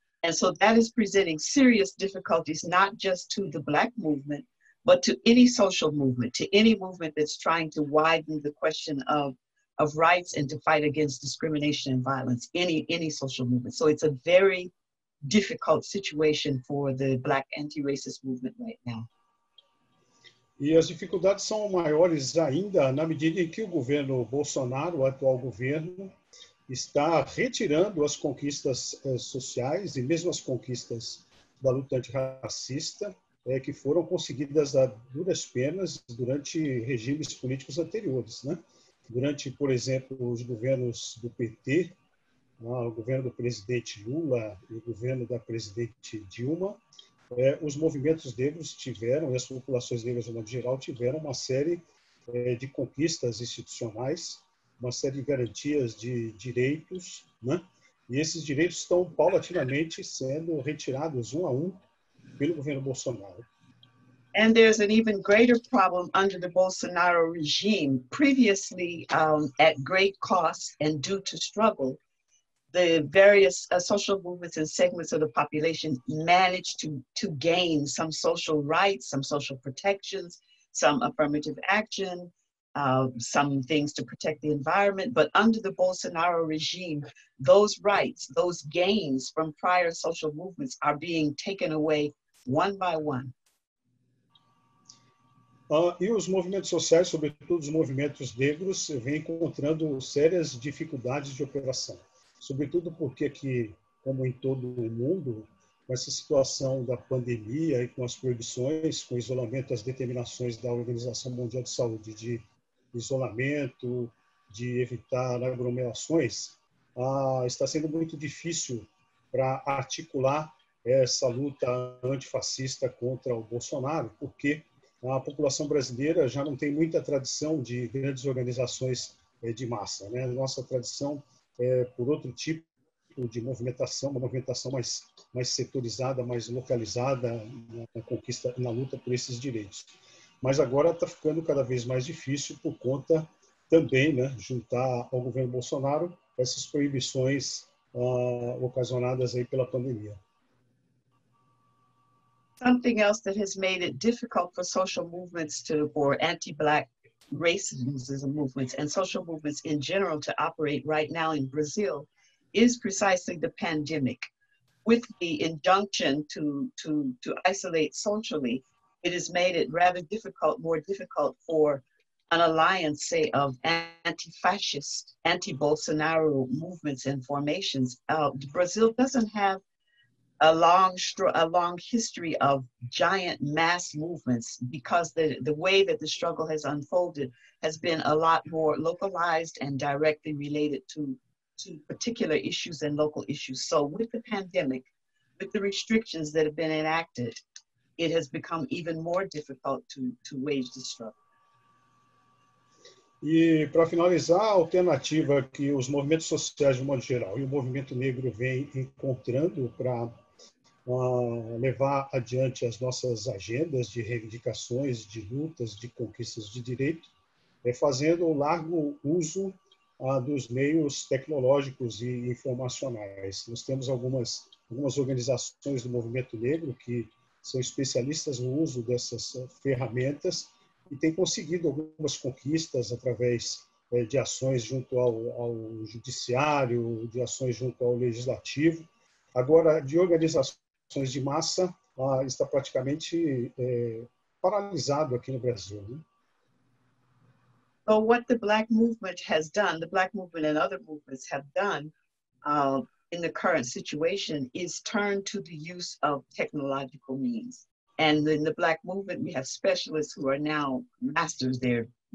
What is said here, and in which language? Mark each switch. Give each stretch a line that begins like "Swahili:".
English: And so that is presenting serious difficulties, not just to the Black movement, but to any social movement, to any movement that's trying to widen the question of rights and to fight against discrimination and violence, any social movement. So it's a very difficult situation for the Black anti-racist movement right now.
Portuguese: E as dificuldades são maiores ainda na medida em que o governo Bolsonaro, o atual governo, está retirando as conquistas sociais e mesmo as conquistas da luta antirracista que foram conseguidas a duras penas durante regimes políticos anteriores. Né? Durante, por exemplo, os governos do PT, o governo do presidente Lula e o governo da presidente Dilma, os movimentos negros tiveram, e as populações negras, no modo geral, tiveram uma série de conquistas institucionais, uma série de garantias de direitos, né? E esses direitos estão paulatinamente sendo retirados um a um pelo governo Bolsonaro. And there's an even greater problem under the Bolsonaro regime. Previously, at great cost and due to struggle, the various social movements and segments of the population managed to gain some social rights, some social protections, some affirmative action, some things to protect the environment. But under the Bolsonaro regime, those rights, those gains from prior social movements are being taken away one by one. E os movimentos sociais, sobretudo os movimentos negros, vêm encontrando sérias dificuldades de operação. Sobretudo porque aqui, como em todo o mundo, com essa situação da pandemia e com as proibições, com o isolamento, as determinações da Organização Mundial de Saúde de isolamento, de evitar aglomerações, está sendo muito difícil para articular essa luta antifascista contra o Bolsonaro, porque a população brasileira já não tem muita tradição de grandes organizações de massa. Né? Nossa tradição é por outro tipo de movimentação, uma movimentação mais setorizada, mais localizada na conquista, na luta por esses direitos. Mas agora está ficando cada vez mais difícil por conta também, né, juntar ao governo Bolsonaro essas proibições ocasionadas aí pela pandemia.
English: Something else that has made it difficult for social movements or anti-Black racism movements and social movements in general to operate right now in Brazil is precisely the pandemic. With the injunction to isolate socially, it has made it rather difficult, more difficult for an alliance, say, of anti-fascist, anti-Bolsonaro movements and formations. Brazil doesn't have a long history of giant mass movements because the way that the struggle has unfolded has been a lot more localized and directly related to particular issues and local issues. So with the pandemic, with the restrictions that have been enacted, it has become even more difficult to wage the struggle.
Portuguese: E para finalizar, a alternativa que os movimentos sociais de modo geral e o movimento negro vem encontrando para levar adiante as nossas agendas de reivindicações, de lutas, de conquistas de direito, fazendo um largo uso dos meios tecnológicos e informacionais. Nós temos algumas organizações do movimento negro que são especialistas no uso dessas ferramentas e têm conseguido algumas conquistas através de ações junto ao judiciário, de ações junto ao legislativo. Agora, de organizações de massa está praticamente paralisado aqui no Brasil. Né?
English: So what the Black movement has done, the Black movement and other movements have done in the current situation is turn to the use of technological means. And in the Black movement, we have specialists who are now masters. They're